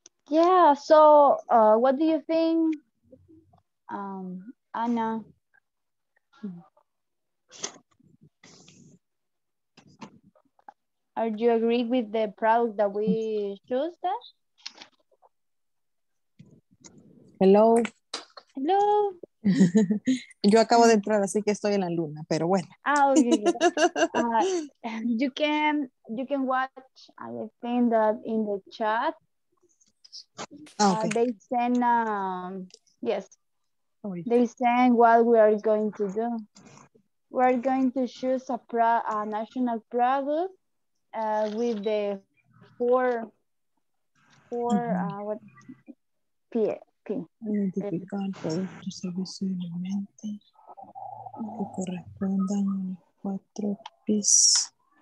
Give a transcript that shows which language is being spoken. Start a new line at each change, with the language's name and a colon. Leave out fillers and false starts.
English: Yeah, so what do you think, Anna? Are you agree with the product that we choose there? Hello. Hello.
Spanish: Yo acabo de entrar, así que estoy en la luna, pero bueno.
English: Oh, yeah. You can watch, I think that in the chat. Okay. They send, yes, oh, they send what we are going to do. We're going to choose a national product with the four mm-hmm. What P.
Spanish: Identificar productos, servicios y alimentos que correspondan a los cuatro P's.